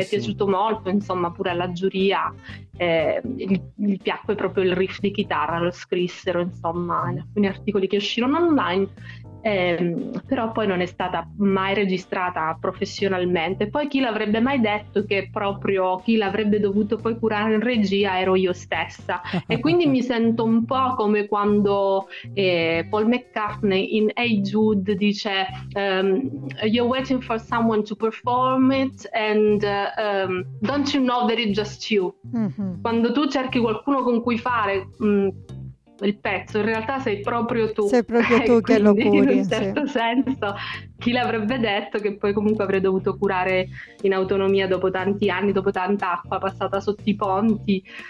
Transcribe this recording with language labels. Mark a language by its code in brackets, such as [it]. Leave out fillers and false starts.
[it] È piaciuto molto, insomma, pure alla giuria, gli piacque proprio il riff di chitarra, lo scrissero, insomma, in alcuni articoli che uscirono online, però poi non è stata mai registrata professionalmente. Poi chi l'avrebbe mai detto che proprio chi l'avrebbe dovuto poi curare in regia ero io stessa. E quindi mi sento un po' come quando Paul McCartney in Hey Jude dice [en] "You're waiting for someone to perform it and don't you know that it's just you?" Mm-hmm. [it] Quando tu cerchi qualcuno con cui fare il pezzo, in realtà sei proprio tu. Sei proprio tu che lo curi. In un certo senso, chi l'avrebbe detto che poi comunque avrei dovuto curare in autonomia dopo tanti anni, dopo tanta acqua passata sotto i ponti,